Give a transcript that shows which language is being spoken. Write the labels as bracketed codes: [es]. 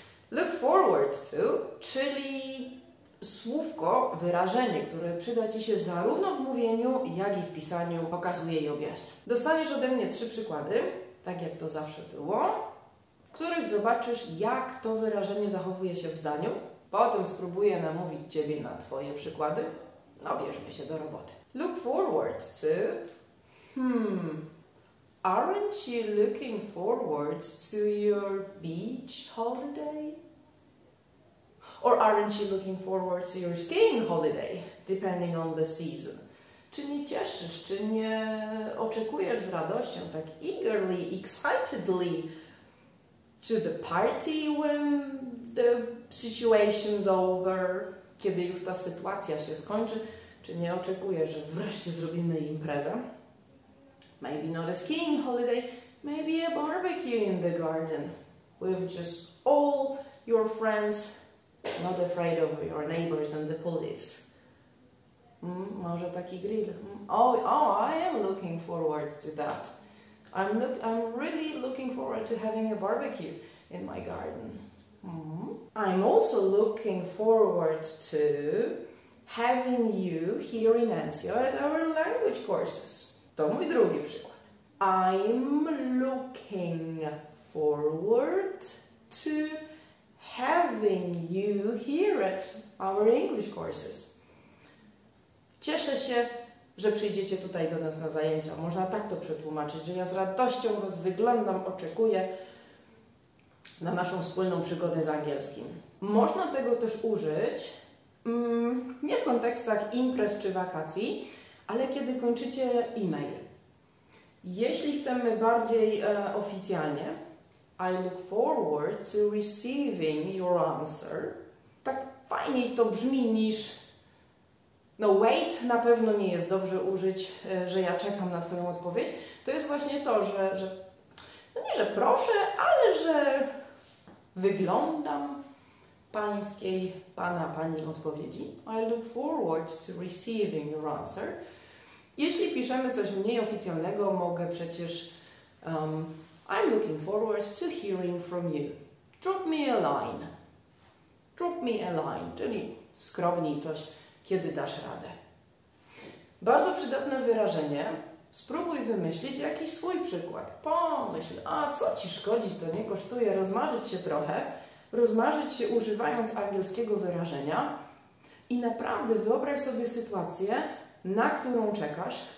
[pl] Look forward to, czyli słówko, wyrażenie, które przyda Ci się zarówno w mówieniu, jak i w pisaniu, pokazuje i objaśnia. Dostaniesz ode mnie trzy przykłady, tak jak to zawsze było, w których zobaczysz, jak to wyrażenie zachowuje się w zdaniu. Potem spróbuję namówić Ciebie na Twoje przykłady. No, bierzmy się do roboty. [en] Look forward to... Aren't you looking forward to your beach holiday? Or aren't you looking forward to your skiing holiday, depending on the season? [pl] Czy nie cieszysz, czy nie oczekujesz z radością, tak [en] eagerly, excitedly to the party when the situation's over? [pl] Kiedy już ta sytuacja się skończy, czy nie oczekujesz, że wreszcie zrobimy imprezę? [en] Maybe not a skiing holiday, maybe a barbecue in the garden with just all your friends, not afraid of your neighbors and the police. [pl] Może taki grill. [en] Oh, I am looking forward to that. I'm really looking forward to having a barbecue in my garden. I'm also looking forward to having you here in Anzio at our language courses. [pl] To mój drugi przykład. [en] I'm looking forward to having you here at our English courses. [pl] Cieszę się, że przyjdziecie tutaj do nas na zajęcia. Można tak to przetłumaczyć, że ja z radością was wyglądam, oczekuję na naszą wspólną przygodę z angielskim. Można tego też użyć nie w kontekstach imprez czy wakacji, ale kiedy kończycie e-mail. Jeśli chcemy bardziej oficjalnie, [en] I look forward to receiving your answer. [pl] Tak fajniej to brzmi niż... No wait na pewno nie jest dobrze użyć, że ja czekam na Twoją odpowiedź. To jest właśnie to, że no nie, że proszę, ale że wyglądam pańskiej, pana, pani odpowiedzi. [en] I look forward to receiving your answer. [pl] Jeśli piszemy coś mniej oficjalnego, mogę przecież... [en] I'm looking forward to hearing from you. Drop me a line. Drop me a line, [pl] czyli skrobnij coś. Kiedy dasz radę. Bardzo przydatne wyrażenie. Spróbuj wymyślić jakiś swój przykład. Pomyśl, a co ci szkodzi, to nie kosztuje. Rozmarzyć się trochę. Rozmarzyć się używając angielskiego wyrażenia. I naprawdę wyobraź sobie sytuację, na którą czekasz.